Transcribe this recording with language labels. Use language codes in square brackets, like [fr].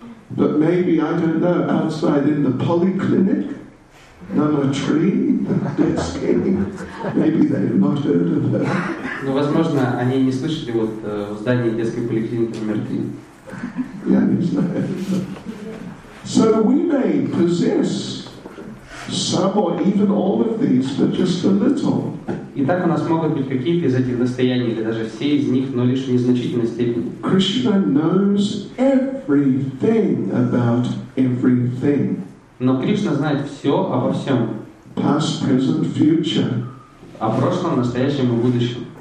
[en] But maybe, I don't know, outside in the polyclinic, number three, that's kidding. Maybe they've not heard of her. [ru] Но, возможно, они не слышали вот в здании детской поликлиники номер три. Я не знаю. [en] So we may possess some or even all of these, but just a little. [ru] Итак, у нас могут быть какие-то из этих достояний, или даже все из них, но лишь в незначительной степени. [en] Krishna knows everything about everything. [ru] Но Кришна знает все обо всем. [en] Past, present, future. [ru] О прошлом, настоящем и будущем.